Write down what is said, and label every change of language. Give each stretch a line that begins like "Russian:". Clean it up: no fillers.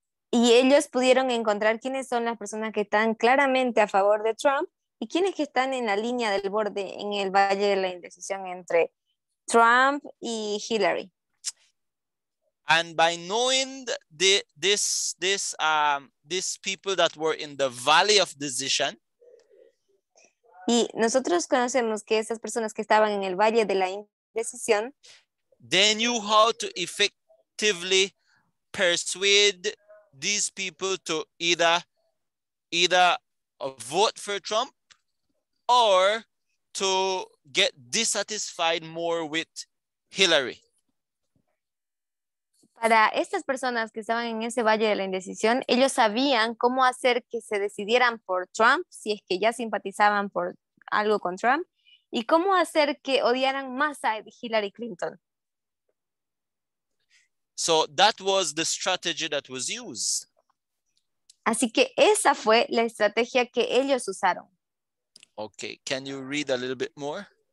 Spanish: Y ellos pudieron encontrar quiénes son las personas que están claramente a favor de Trump y quiénes que están en la línea del borde, en el valle de la indecisión entre Trump y Hillary.
English: And by knowing these people that were in the valley of decision.
Spanish: Y nosotros conocemos que esas personas que estaban en el valle de la indecisión.
English: They knew how to effectively persuade these people to either vote for Trump or to get dissatisfied more with Hillary.
Spanish: Para estas personas que estaban en ese valle de la indecisión, ellos sabían cómo hacer que se decidieran por Trump, si es que ya simpatizaban por algo con Trump, y cómo hacer que odiaran más a Hillary Clinton.
English: So that was the strategy that was used.
Spanish: Así que esa fue la estrategia que ellos usaron.
English: Okay, can you read a little bit more?